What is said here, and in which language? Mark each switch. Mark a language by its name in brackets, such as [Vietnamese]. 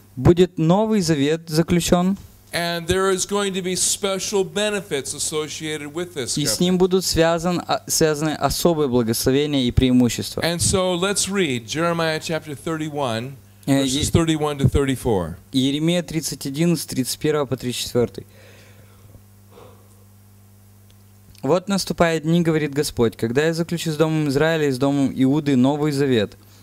[Russian] Будет новый завет заключен. [English] And there is going to be special benefits associated with this. [Russian] И с ним будут связаны особые благословения и преимущества. [English] And so let's read Jeremiah chapter 31, verses 31 to 34. [Russian] Иеремия 31, с 31 по 34. «Вот наступают дни, говорит Господь, когда я заключу с домом Израиля и с домом Иуды новый завет.